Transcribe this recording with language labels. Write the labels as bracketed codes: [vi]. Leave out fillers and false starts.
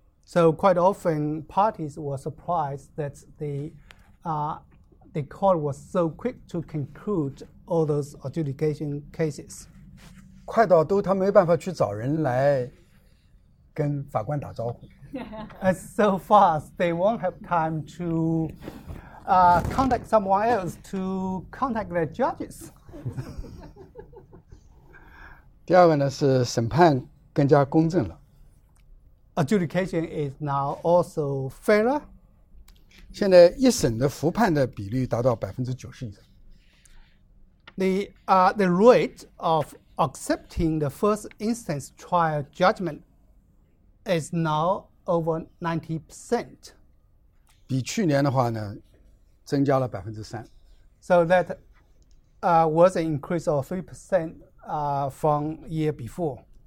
[en] So quite often, parties were surprised that the court was so quick to conclude all those adjudication cases. [zh] 快到都他没办法去找人来跟法官打招呼。 [en] As so fast, they won't have time to contact someone else to contact their judges. [zh] 第二个呢，是审判更加公正了。 [en] Adjudication is now also fairer. [zh] 现在一审的复判的比率达到90%以上。 [en] the rate of accepting the first instance trial judgment is now over 90%. [zh] 比去年的话呢, 增加了 3%。 [en] So that was an increase of 3% from year before.